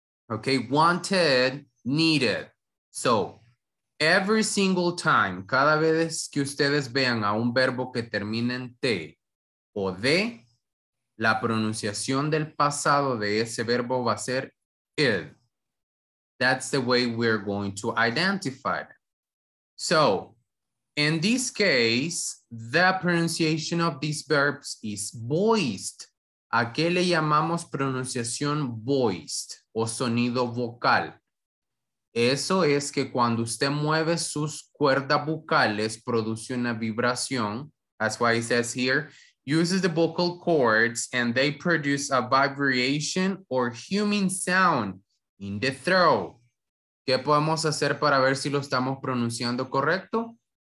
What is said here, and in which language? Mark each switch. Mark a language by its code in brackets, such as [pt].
[en] Okay, wanted, needed. So, every single time, [es] cada vez que ustedes vean a un verbo que termine en T o D, la pronunciación del pasado de ese verbo va a ser id. [en] That's the way we're going to identify them. So, in this case, the pronunciation of these verbs is voiced. [es] ¿A qué le llamamos pronunciación voiced o sonido vocal? Eso es que cuando usted mueve sus cuerdas vocales, produce una vibración. [en] That's why it says here, uses the vocal cords and they produce a vibration or human sound in the throat. [es] ¿Qué podemos hacer para ver si lo estamos pronunciando correcto?